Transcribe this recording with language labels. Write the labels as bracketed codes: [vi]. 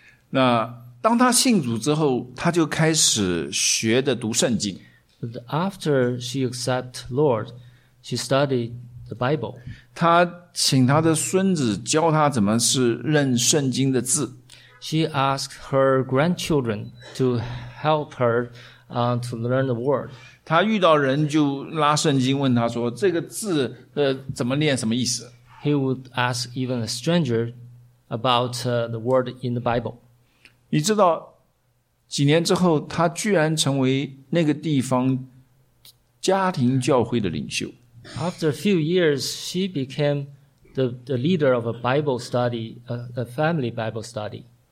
[zh] 那当他信主之后，他就开始学的读圣经。 [en] But after she accept Lord, she studied the Bible. [zh] 他请他的孙子教他怎么是认圣经的字。 [en] She asked her grandchildren to help her, to learn the word. [zh] 他遇到人就拉圣经问他说，这个字怎么念，什么意思？ [en] He would ask even a stranger about the word in the Bible. [zh] 你知道，几年之后，他居然成为那个地方家庭教会的领袖。 [en] After a few years, she became the leader of a Bible study, a family Bible study.